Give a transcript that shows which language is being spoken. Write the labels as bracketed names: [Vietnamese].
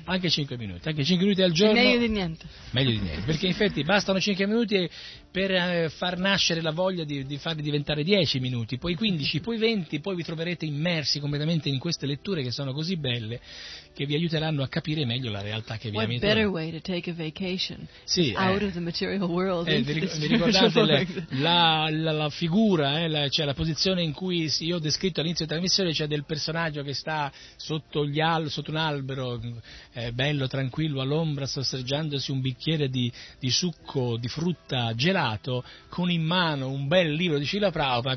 [Italian] 5 minuti al giorno, meglio di niente, perché in effetti bastano 5 minuti e per far nascere la voglia di farli diventare 10 minuti, poi 15, poi 20, poi vi troverete immersi completamente in queste letture che sono così belle, che vi aiuteranno a capire meglio la realtà che vi amiamo. [English] Better way to take a vacation, [Italian] sì, [English] out of the material world. [Italian] Vi ricordate la figura, cioè la posizione in cui io ho descritto all'inizio della trasmissione, cioè del personaggio che sta sotto gli sotto un albero, bello, tranquillo, all'ombra, sorseggiandosi un bicchiere di succo di frutta gelato, con in mano un bel libro di Srila Prabhupada.